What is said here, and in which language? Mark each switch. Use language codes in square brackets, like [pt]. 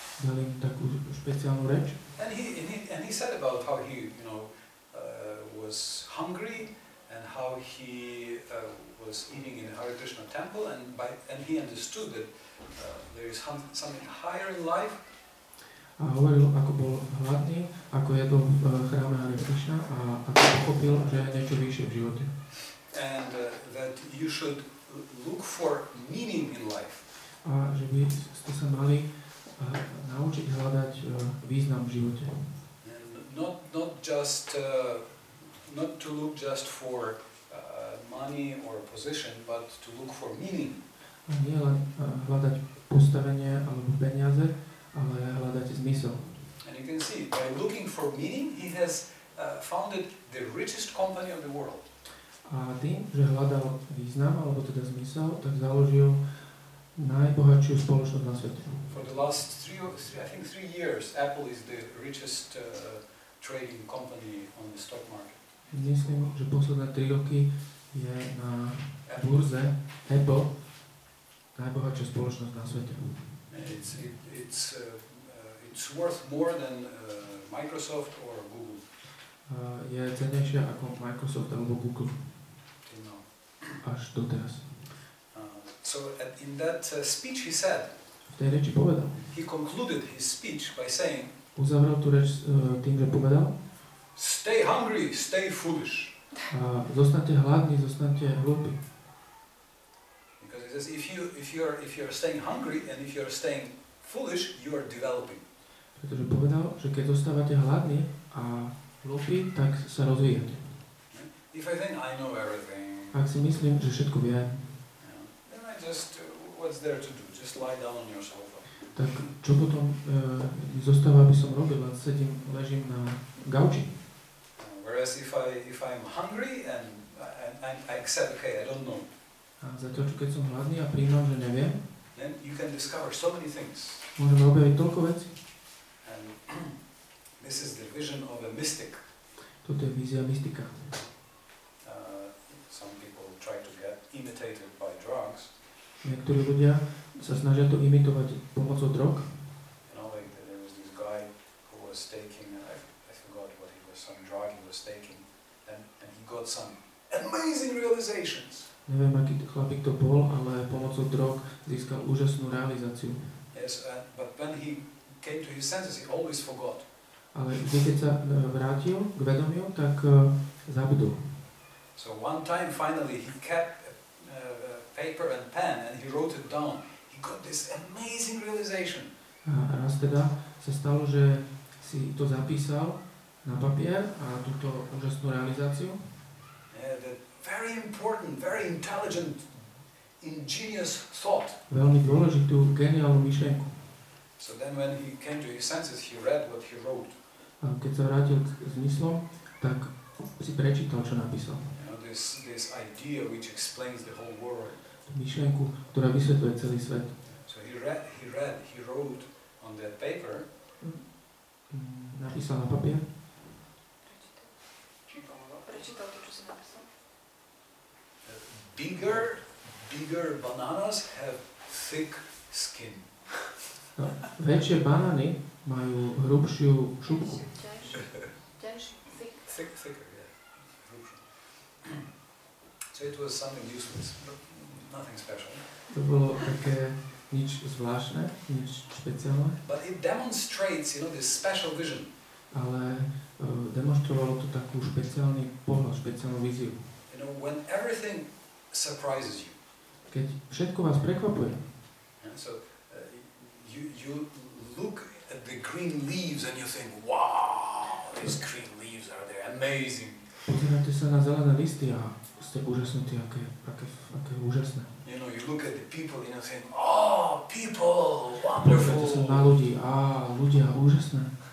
[sk] Dal im takú špeciálnu reč. [en] And he said about how he, you know, was hungry. And how he was eating in the Hare Krishna temple, and he understood that there is something higher in life. [sk] A hovoril, ako bol hladný, ako jedol v chráme Hare Krishna, a ako pochopil, že je niečo vyššie v živote. [en] And that you should look for meaning in life. [sk] A že by ste sa mali naučiť hľadať význam v živote. [en] Not to look just for money or position, but to look for meaning. [sk] A nie len hľadať postavenie alebo peniaze, ale hľadať zmysel. [en] And you can see, by looking for meaning, he has founded the richest company of the world. [sk] A tým, že hľadal význam alebo teda zmysel, tak založil najbohatšiu spoločnosť na svete. [en] For the last three years, Apple is the richest trading company on the stock market. [sk] Myslím, že posledné 3 roky je na burze Apple najbohatšia spoločnosť na svete. [en] It's worth more than Microsoft or Google. [sk] Je cennejšia ako Microsoft alebo Google. [en] No. [sk] Až doteraz. [en] So in that speech he said. [sk] V tej reči povedal. [en] He concluded his speech by saying, [sk] uzavral tú reč tým, že povedal, [en] stay hungry, stay foolish. [sk] Zostaňte hladní, zostaňte hlúpi. [en] Because he says, if you are staying hungry and if you are staying foolish, you are developing. [sk] Pretože povedal, že keď zostávate hladní a hlúpi, tak sa rozvíjate. [en] If I think I know everything, [sk] ak si myslím, že všetko viem, [en] then I just, what's there to do? Just lie down on your sofa. [sk] Tak čo potom zostáva, aby som robil, len sedím, ležím na gauči. [en] Whereas if I'm hungry and I accept, okay, I don't know. [sk] A za to, čo keď som hladný a prijímam, že neviem, [en] then you can discover so many things. [sk] Môžeme objaviť toľko vecí. [en] And this is the vision of a mystic. [sk] Toto je vízia mystika. [en] Some people try to get imitated by drugs. [sk] Niektorí ľudia sa snažia to imitovať pomocou drog. [en] You know, like there was this guy who was taking, I forgot what he was, some drug he was taking, and he got some amazing realizations. [sk] Neviem, aký chlapík to bol, ale pomocou drog získal úžasnú realizáciu. [en] Yes, but when he came to his senses, he always forgot. [sk] Ale keď sa vrátil k vedomiu, tak zabudol. [en] So one time finally he kept paper and pen and he wrote it down. He got this amazing realization. [sk] A raz teda sa stalo, že si to zapísal na papier a túto úžasnú realizáciu. [en] Yeah, the very important, very intelligent, ingenious thought. [sk] Veľmi dôležitú, geniálnu myšlienku. [en] So then when he came to his senses, he read what he wrote. [sk] A keď sa vrátil k zmyslom, tak si prečítal, čo napísal. [en] This idea which explains the whole world. [sk] Myšlienku, ktorá vysvetľuje celý svet. [en] So he wrote on that paper. [sk] Napísal na papier. Prečítal to, čo si napísal. [en] Bigger bananas have thick skin. [sk] No, väčšie banány majú hrubšiu šupku. [en] Thicker. So it was something useless, nothing special. [sk] To bolo také nič zvláštne, nič špeciálne. [en] But it demonstrates, you know, this special vision. [sk] Ale demonstrovalo to takú špeciálny pohľad, špeciálnu víziu. [en] You know, when everything surprises you. [sk] Keď všetko vás prekvapuje. [en] So you look at the green leaves and you think, wow, these green leaves are there, amazing. [sk] Pozeráte sa na zelené listy a ste úžasnutí, aké úžasné. [en] You know, you look at the people and you think, oh, people, wonderful. [sk] Pozeráte sa na ľudí, ľudia, úžasné.